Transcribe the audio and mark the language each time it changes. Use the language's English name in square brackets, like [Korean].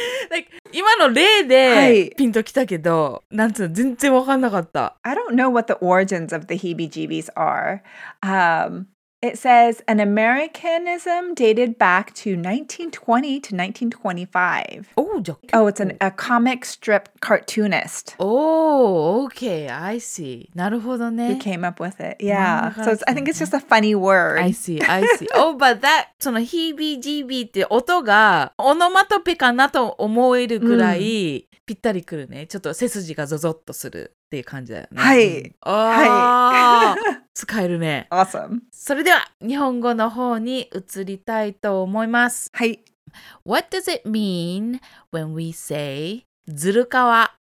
[Japanese] like, 今の例でピンときたけど、なんつうの、全然わかんなかった。 [English] I don't know what the origins of the heebie-jeebies are. It says, an Americanism dated back to 1920 to 1925. Oh, oh it's a comic strip cartoonist. Oh, okay, I see. [Japanese] なるほどね。 [English] Who came up with it. Yeah, so I think it's just a funny word. I see. oh, but that, [Japanese] その heebie-jeebie って音がオノマトペかなと思えるぐらいぴったりくるね。ちょっと背筋がゾゾッとする。っていう感じだよね。はい。ああ、はい、使えるね。 [English] Awesome。 [Japanese] それでは日本語の方に移りたいと思います。はい。 [English] What does it mean when we say ずるかわ